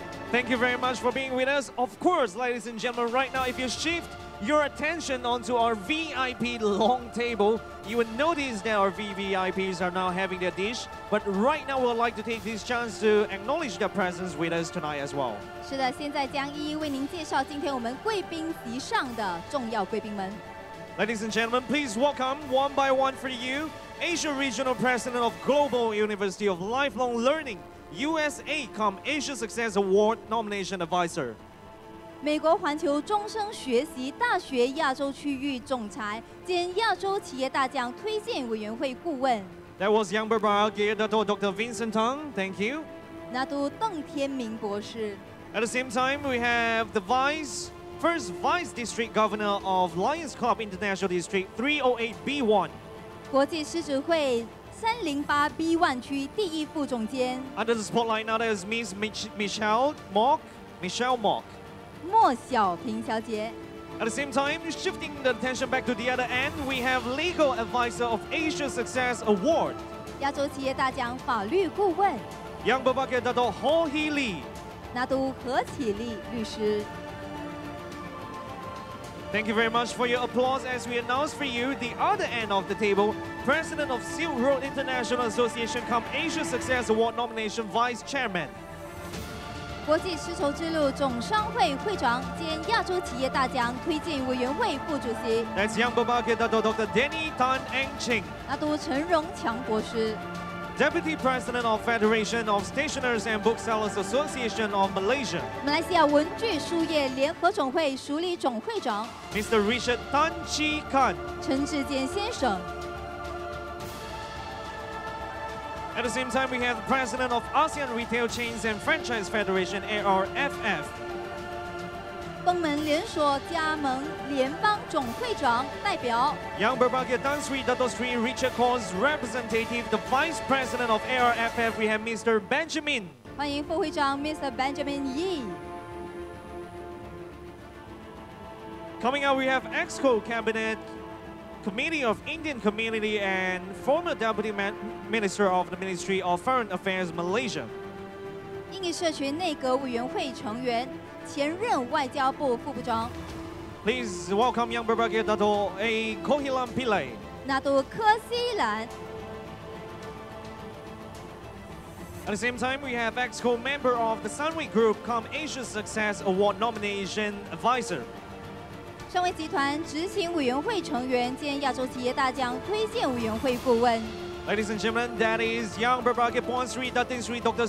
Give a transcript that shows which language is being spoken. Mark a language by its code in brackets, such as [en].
[en] Thank you very much for being with us. Of course, ladies and gentlemen, right now, if you shift your attention onto our VIP long table,You will notice that our VVIPs are now having their dish, but right now we'd like to take this chance to acknowledge their presence with us tonight as well. [zh] 是的，现在将一一为您介绍今天我们贵宾席上的重要贵宾们。 [en] Ladies and gentlemen, please welcome one by one for you, Asia Regional President of Global University of Lifelong Learning, USA com Asia Success Award Nomination Advisor. [zh] 美国环球终生学习大学亚洲区域总裁兼亚洲企业大奖推荐委员会顾问。 [en] That was Yang Berba, Dato Dr. Vincent Tang, thank you. [zh] 那都邓天明博士。 [en] At the same time, we have the Vice, First Vice District Governor of Lions Club International District 308B1. [zh] 国际狮子会308B1区第一副总监。 [en] Under the spotlight now is Miss Michelle Mock. [zh] 莫小平小姐。 [en] At the same time, shifting the attention back to the other end, we have Legal Advisor of Asia Success Award. [zh] 亚洲企业大奖法律顾问。 [en] Yang Berbagai Dato Ho He Lee. [zh] 那都何启立律师。 [en] Thank you very much for your applause as we announce for you the other end of the table, President of Silk Road International Association cum Asia Success Award Nomination Vice Chairman. [zh] 国际丝绸之路总商会会长兼亚洲企业大奖推荐委员会副主席。 [en] That's Yang Berbagai Dato Dr. Danny Tan Eng Ching. [zh] 那都陈荣强博士。 [en] Deputy President of Federation of Stationers and Booksellers Association of Malaysia. [zh] 马来西亚文具书业联合总会署理总会长。 [en] Mr. Richard Tan Chi Khan. [zh] 陈志坚先生。 [en] At the same time, we have the President of ASEAN Retail Chains and Franchise Federation, ARFF. [zh] 东门连锁加盟联邦总会长代表 [en] Yang Berbagai Tan Sri Dato Sri Richard Kors Representative, the Vice President of ARFF, we have Mr. Benjamin. [zh] 欢迎副会长 Mr. Benjamin Yi. [en] Coming up, we have EXCO Cabinet Committee of Indian Community and former Deputy Minister of the Ministry of Foreign Affairs, Malaysia. [zh] 印尼社群内阁委员会成员, 前任外交部副部长. [en] Please welcome Yang Berbagai Dato A. Kohilan Pillai. [zh] Nato Ke Si Lan. [en] At the same time, we have EXCO member of the Sunway Group come Asia Success Award nomination advisor. [zh] 商委集团执行委员会成员兼亚洲企业大奖推荐委员会顾问. [en] Ladies and gentlemen, that is Yang Berbagai Puan Sri Datin Sri Dr.